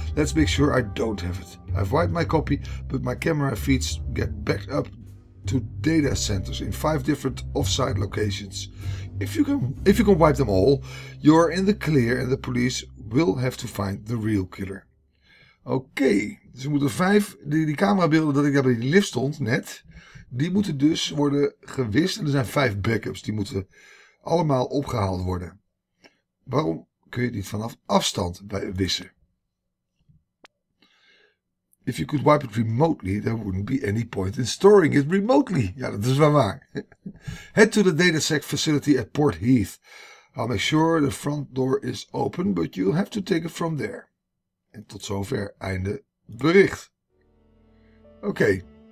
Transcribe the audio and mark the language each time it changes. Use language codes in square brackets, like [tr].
[en] Let's make sure I don't have it. I've wiped my copy, but my camera feeds get backed up to data centers in 5 different offsite locations. If you can wipe them all, you're in the clear and the police will have to find the real killer. [nl] Oké, dus we moeten 5, die camerabeelden dat ik daar bij die lift stond net, die moeten dus worden gewist en er zijn 5 backups. Die moeten allemaal opgehaald worden. Waarom kun je niet vanaf afstand bij wissen? [en] If you could wipe it remotely, there wouldn't be any point in storing it remotely. [nl] Ja, dat is wel waar. [en] Head to the DataSec facility at Port Heath. I'll make sure the front door is open, but you'll have to take it from there. [nl] En tot zover, einde bericht. Oké. Okay.